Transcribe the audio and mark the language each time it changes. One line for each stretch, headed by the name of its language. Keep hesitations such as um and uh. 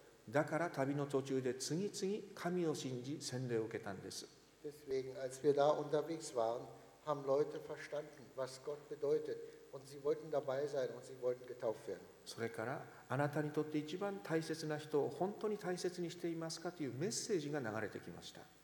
Japanese: だから旅の途中で次々神を信じ洗礼を受けたんです。
German: Deswegen, als wir da unterwegs waren, haben Leute verstanden, was Gott bedeutet. Und sie wollten dabei sein und sie wollten getauft werden.
Japanese: それからあなたにとって一番大切な人を本当に大切にしていますかというメッセージが流れてきました。